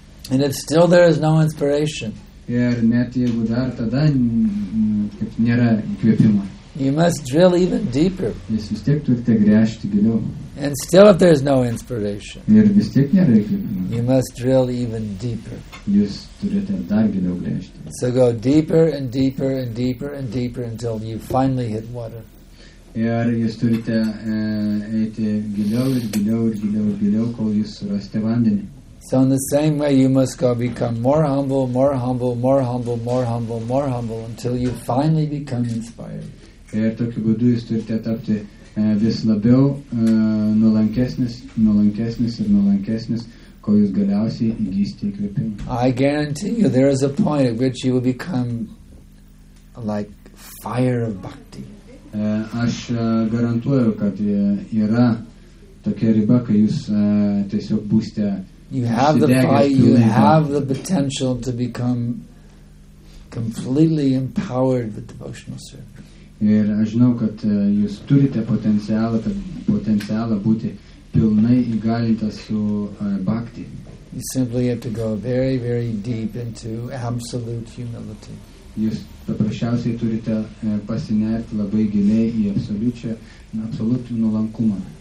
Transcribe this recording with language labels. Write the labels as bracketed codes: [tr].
[en] And if still there is no inspiration. [lt] Ir net jeigu dar tada kaip nėra įkvėpimo. [en] You must drill even deeper. [lt] Jūs vis tiek turite gręžti giliau. [en] And still if there is no inspiration. [lt] Ir vis tiek nėra įkvėpimo. [en] You must drill even deeper. [lt] Jūs turite dar giliau gręžti. [en] So go deeper and deeper and deeper and deeper until you finally hit water. [lt] Ir jūs turite eiti giliau ir giliau ir giliau ir giliau, kol jūs surasite vandenį. [en] So in the same way you must go become more humble, more humble, more humble, more humble, more humble until you finally become inspired. [lt] Ir tokiu būdu jūs turite tapti vis labiau nuolankesnis, nuolankesnis ir nuolankesnis, kol jūs galiausiai įgysite įkvėpimą. [en] I guarantee you there is a point at which you will become like fire of bhakti. [lt] Aš garantuoju, kad yra tokia riba, kai jūs tiesiog būsite. [en] You have the fire, you have the potential to become completely empowered with devotional service. [lt] Ir aš žinau, kad jūs turite potencialą būti pilnai įgalintas su bhakti. [en] You simply have to go very, very deep into absolute humility. [lt] Jūs paprasčiausiai turite pasinerti labai giliai į absoliutų nuolankumą.